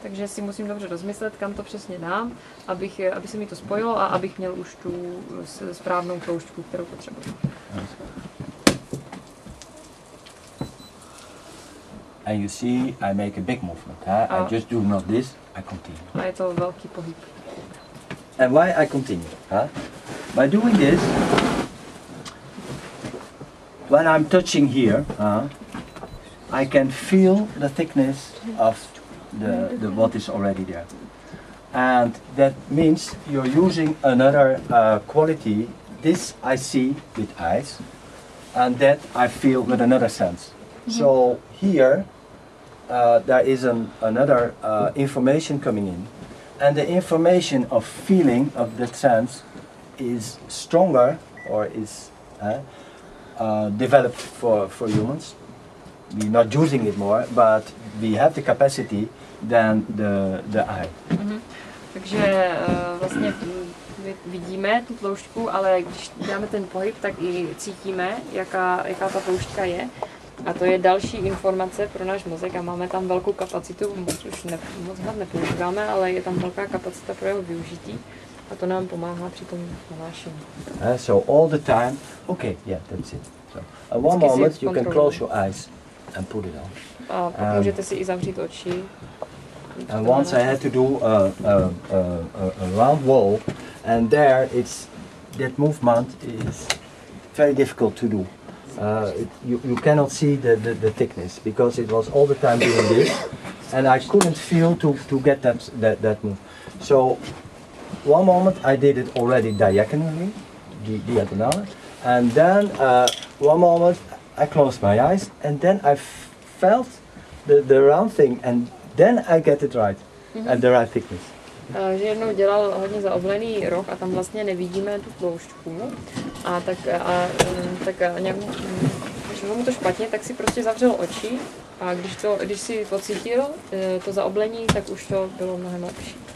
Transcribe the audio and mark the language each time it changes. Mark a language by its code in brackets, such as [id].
[cs] Takže si musím dobře rozmyslet, kam to přesně dám, aby se mi to spojilo a abych měl už tu správnou tloušťku, kterou potřebuji. [en] And you see, I make a big movement. Huh? I just do not this, I continue. [cs] A je to velký pohyb. [en] And why I continue? Huh? By doing this, when I'm touching here, I can feel the thickness of the what is already there. And that means you're using another quality. This I see with eyes, and that I feel with another sense. Mm-hmm. So here, there is another information coming in, and the information of feeling of the sense is stronger or is developed for humans. We're not using it more, but we have the capacity than the eye. Mm-hmm. [cs] Takže vlastně vidíme tu tloušťku, ale když dáme ten pohyb, tak i cítíme, jaká ta tloušťka je. A to je další informace pro náš mozek a máme tam velkou kapacitu, moc hlad nepoužíváme, ale je tam velká kapacita pro jeho využití a to nám pomáhá při tom hlášení. [en] So all the time, okay, yeah, that's it. So, one moment, you can close your eyes and put it on. [cs] A pak můžete si i zavřít oči. [en] And once I had to do a round wall and there it's, that movement is very difficult to do. You cannot see the thickness because it was all the time doing this, and I couldn't feel to get that move. So, one moment I did it already diagonally, the other now, and then one moment I closed my eyes, and then I felt the round thing, and then I get it right, mm-hmm. at the right thickness. [cs] Že jednou dělal hodně zaoblený roh a tam vlastně nevidíme tu tloušťku a tak nějak, když bylo mu to špatně, tak si prostě zavřel oči a když si pocítil to zaoblení, tak už to bylo mnohem lepší.